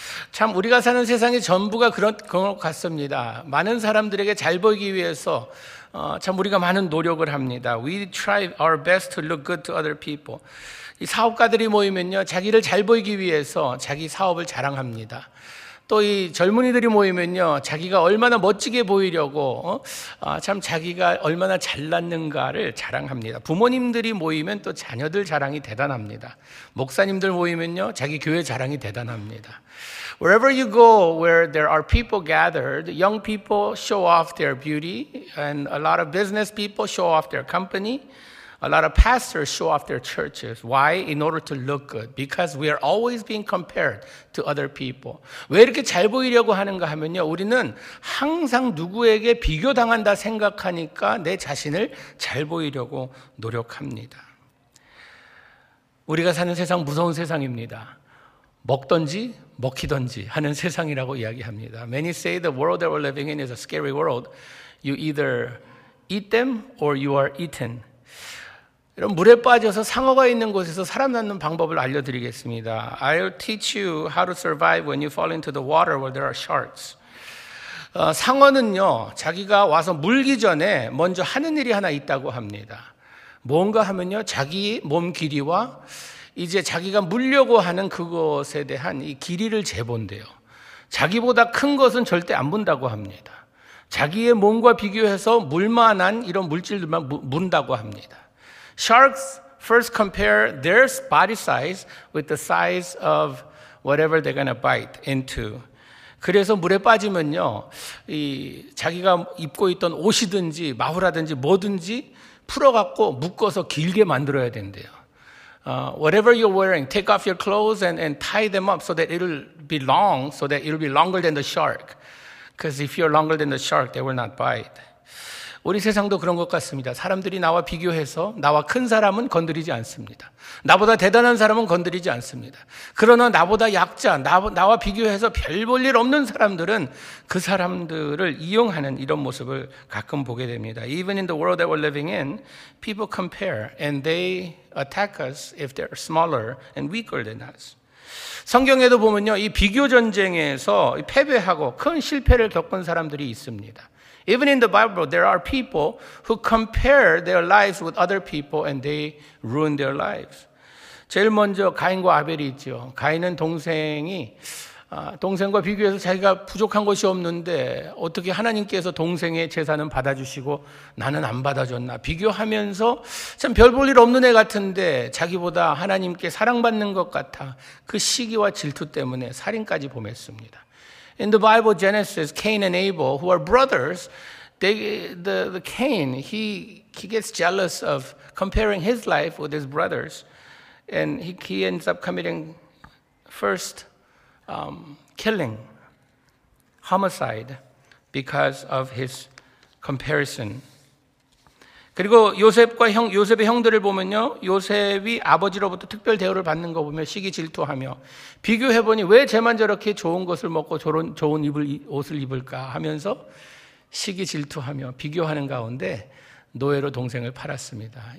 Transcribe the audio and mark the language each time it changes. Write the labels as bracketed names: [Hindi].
[Korean] 참 우리가 사는 세상이 전부가 그런 것 같습니다. 많은 사람들에게 잘 보이기 위해서 참 우리가 많은 노력을 합니다. [English] We try our best to look good to other people. [Korean] 이 사업가들이 모이면요, 자기를 잘 보이기 위해서 자기 사업을 자랑합니다. 또 이 젊은이들이 모이면요, 자기가 얼마나 멋지게 보이려고 참 자기가 얼마나 잘났는가를 자랑합니다. 부모님들이 모이면 또 자녀들 자랑이 대단합니다. 목사님들 모이면요, 자기 교회 자랑이 대단합니다. [English] Wherever you go, where there are people gathered, young people show off their beauty, and a lot of business people show off their company, a lot of pastors show off their churches. Why? In order to look good. Because we are always being compared to other people. [Korean] 왜 이렇게 잘 보이려고 하는가 하면요, 우리는 항상 누구에게 비교당한다 생각하니까 내 자신을 잘 보이려고 노력합니다. 우리가 사는 세상 무서운 세상입니다. 먹던지 먹히던지 하는 세상이라고 이야기합니다. [English] Many say the world that we're living in is a scary world. You either eat them or you are eaten. [Korean] 이런 물에 빠져서 상어가 있는 곳에서 사람 낳는 방법을 알려드리겠습니다. [English] I'll teach you how to survive when you fall into the water where there are sharks. [Korean] 상어는요, 자기가 와서 물기 전에 먼저 하는 일이 하나 있다고 합니다. 뭔가 하면요, 자기 몸 길이와 이제 자기가 물려고 하는 그것에 대한 이 길이를 재본대요. 자기보다 큰 것은 절대 안 본다고 합니다. 자기의 몸과 비교해서 물만한 이런 물질들만 문다고 합니다. [English] Sharks first compare their body size with the size of whatever they're going to bite into. [Korean] 그래서 물에 빠지면요, 이 자기가 입고 있던 옷이든지 마후라든지 뭐든지 풀어갖고 묶어서 길게 만들어야 된대요. [English] Whatever you're wearing, take off your clothes and tie them up so that it'll be long, so that it'll be longer than the shark. Because if you're longer than the shark, they will not bite. [Korean] 우리 세상도 그런 것 같습니다. 사람들이 나와 비교해서 나와 큰 사람은 건드리지 않습니다. 나보다 대단한 사람은 건드리지 않습니다. 그러나 나보다 약자, 나와 비교해서 별 볼 일 없는 사람들은 그 사람들을 이용하는 이런 모습을 가끔 보게 됩니다. [English] Even in the world that we're living in, people compare and they attack us if they're smaller and weaker than us. [Korean] 성경에도 보면요, 이 비교 전쟁에서 패배하고 큰 실패를 겪은 사람들이 있습니다. [English] Even in the Bible, there are people who compare their lives with other people and they ruin their lives. [Korean] 제일 먼저 가인과 아벨이 있죠. 가인은 동생과 비교해서 자기가 부족한 것이 없는데 어떻게 하나님께서 동생의 재산은 받아주시고 나는 안 받아줬나 비교하면서 참 별 볼 일 없는 애 같은데 자기보다 하나님께 사랑받는 것 같아 그 시기와 질투 때문에 살인까지 범했습니다. [English] In the Bible, Genesis, Cain and Abel, who are brothers, Cain gets jealous of comparing his life with his brothers, and he ends up committing first killing, homicide, because of his comparison. [Korean] 그리고 요셉과 형 요셉의 형들을 보면요, 요셉이 아버지로부터 특별 대우를 받는 거 보면 시기 질투하며 비교해 보니 왜 쟤만 저렇게 좋은 것을 먹고 저런 좋은 옷을 입을까 하면서 시기 질투하며 비교하는 가운데 노예로 동생을 팔았습니다.